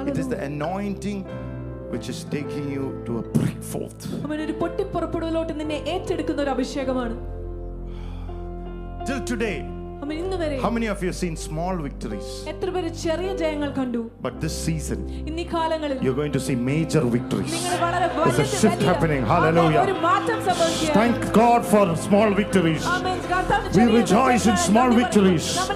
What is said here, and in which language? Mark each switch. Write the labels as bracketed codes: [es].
[en] It is the anointing which is taking you to a break forth. [ml] അവനെ ഒരു പൊട്ടി പുറപ്പെടുന്നതിലോട്ട് നിന്നെ ഏറ്റെടുക്കുന്ന ഒരു അഭിഷേകമാണ്. [en] Till today. How many of you have seen small victories? [ml] എത്ര പേര് ചെറിയ ജയങ്ങൾ കണ്ടു? [en] But this season, [ml] ഇന്നി കാലങ്ങളിൽ, [en] you are going to see major victories. [ml] നിങ്ങൾ വളരെ വലിയ [en] shift happening. Hallelujah. [ml] ഒരു മാറ്റം സംഭവിക്കുകയാണ്. [en] Thank God for small victories. We rejoice in small victories.